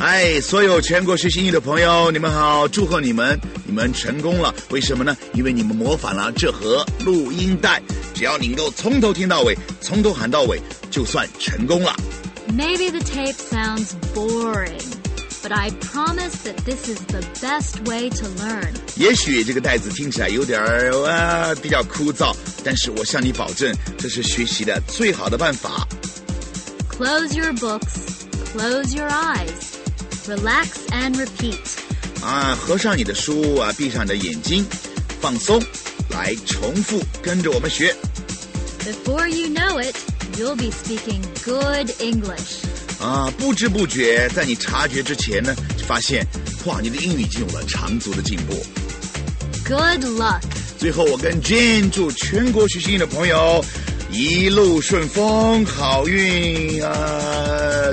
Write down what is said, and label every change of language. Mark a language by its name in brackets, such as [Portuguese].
[Chinese] 哎，所有全国学习英语的朋友，你们好，祝贺你们，你们成功了。为什么呢？因为你们模仿了这盒录音带，只要你能够从头听到尾，从头喊到尾，就算成功了。 [English] Maybe the tape sounds boring, but I promise that this is the best way to learn. [Chinese] 也许这个袋子听起来有点比较枯燥，但是我向你保证，这是学习的最好的办法。 [English] Close your books, close your eyes. Relax and repeat. [Chinese] 啊，合上你的书啊，闭上你的眼睛，放松，来重复，跟着我们学。 [English] Before you know it, you'll be speaking good English. [Chinese] 啊，不知不觉，在你察觉之前呢，就发现，哇，你的英语已经有了长足的进步。 [English] Good luck. [Chinese] 最后，我跟 Jane 祝全国学习英语的朋友一路顺风，好运啊！